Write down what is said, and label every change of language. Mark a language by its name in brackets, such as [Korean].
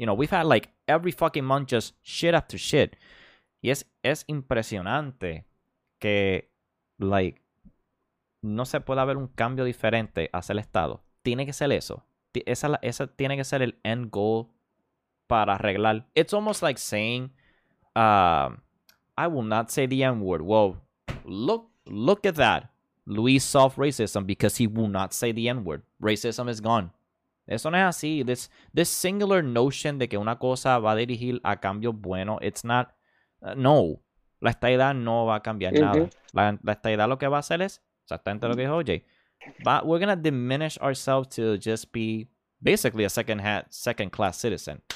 [English] You know, we've had like every fucking month just shit after shit. [Spanish] Y es impresionante que, like, no se puede haber un cambio diferente hacia el Estado. Tiene que ser eso. Esa tiene que ser el end goal para arreglar. [English] It's almost like saying, I will not say the N word. Well, look at that. Luis solved racism because he will not say the N word. Racism is gone. [Spanish] Eso no es así. [English] This singular notion [Spanish] de que una cosa va a dirigir a cambios buenos, [English] it's not. [Spanish] No. La estadidad no va a cambiar nada. La estadidad lo que va a hacer es exactamente lo que dijo OJ. [English] But we're gonna diminish ourselves to just be basically a second class citizen.